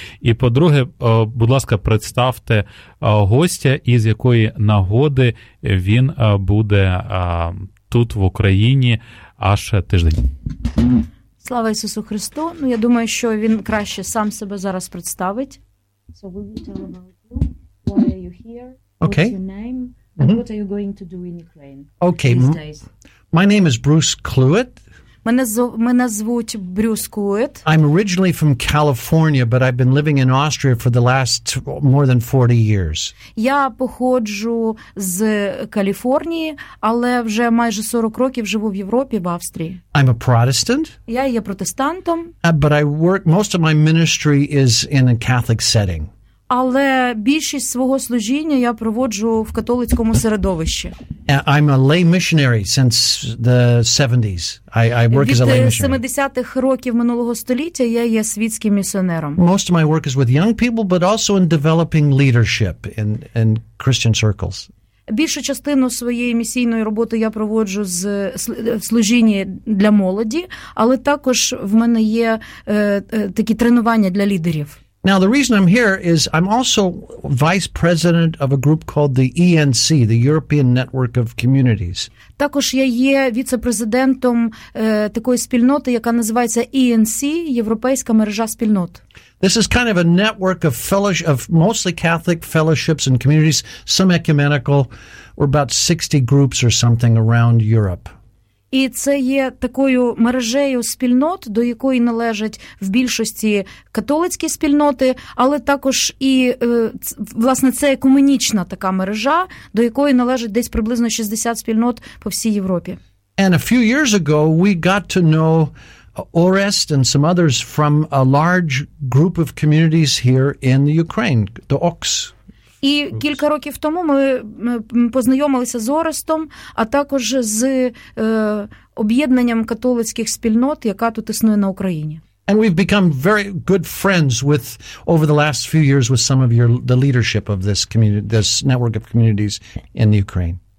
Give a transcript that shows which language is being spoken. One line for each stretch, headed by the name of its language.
Ukrainian: І по-друге, будь ласка, представте гостя, із якої нагоди він буде тут, в Україні, аж тиждень. Слава Ісусу Христу. Ну, я думаю, що він краще сам себе зараз представить.
English: So we will tell about you. Why are you here? Okay. What's your name? And what are you going to do in Ukraine? Okay. These days? My name is Bruce Kluet.
Ukrainian: Мене звуть Брюс Клует.
English: I'm originally from California, but I've been living in Austria for the last more than 40 years.
Ukrainian: Я походжу з Каліфорнії, але вже майже 40 років живу в Європі, в Австрії.
English: I'm a Protestant.
Ukrainian: Я є протестантом.
English: But I work, most of my ministry is in a Catholic setting.
Ukrainian: Але більшість свого служіння я проводжу в католицькому середовищі.
English: I'm a lay missionary since the 70s. I work
Ukrainian: Від
English: as a lay missionary.
Ukrainian: 70-х років минулого століття я є світським місіонером.
English: Most of my work is with young people, but also in developing leadership in Christian circles.
Ukrainian: Більшу частину своєї місійної роботи я проводжу з служінні для молоді, але також в мене є такі тренування для лідерів.
English: Now the reason I'm here is I'm also vice president of a group called the ENC, the European Network of Communities.
Ukrainian: Також я є віце-президентом такої спільноти, яка називається ENC, Європейська мережа спільнот.
English: This is kind of a network of fellowship of mostly Catholic fellowships and communities, some ecumenical, or about 60 groups or something around Europe.
Ukrainian: І це є такою мережею спільнот, до якої належать в більшості католицькі спільноти, але також і, власне, це екуменічна така мережа, до якої належать десь приблизно 60 спільнот по всій Європі.
English: And a few years ago we got to know Orest and some others from a large group of communities here in the Ukraine, the OX.
Ukrainian: І кілька років тому ми познайомилися з Орестом, а також з об'єднанням католицьких спільнот, яка тут існує на Україні.
English: And we've become very good friends with over the last few years with some of your the leadership of this community, this network of communities in the Ukraine.